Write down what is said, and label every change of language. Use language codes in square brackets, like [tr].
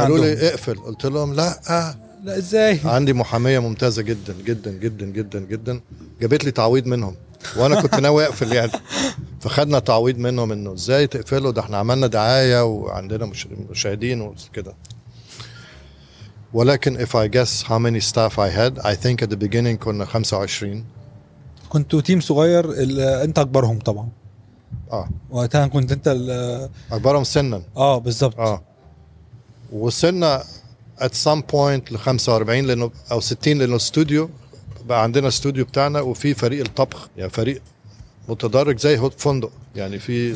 [ar] قالوا لي اقفل, قلت لهم لا لا ازاي, عندي محاميه ممتازه جدا جدا جدا جدا جدا, جابت لي تعويض منهم وانا كنت ناوي اقفل يعني, فخدنا تعويض منهم انه ازاي تقفله ده احنا عملنا دعايه وعندنا مشاهدين وكده. ولكن [en] if I guess how many staff I had, I think at the beginning [ar] كنا 25. كنتوا تيم صغير انت اكبرهم طبعا. اه وقتها كنت انت اكبرهم سنا. اه بالضبط. اه وصلنا [en] at some point [ar] ل 45 لانه او 60, لانه استوديو بقى عندنا استوديو بتاعنا وفي فريق الطبخ يعني فريق متدرج زي هوت فندق يعني في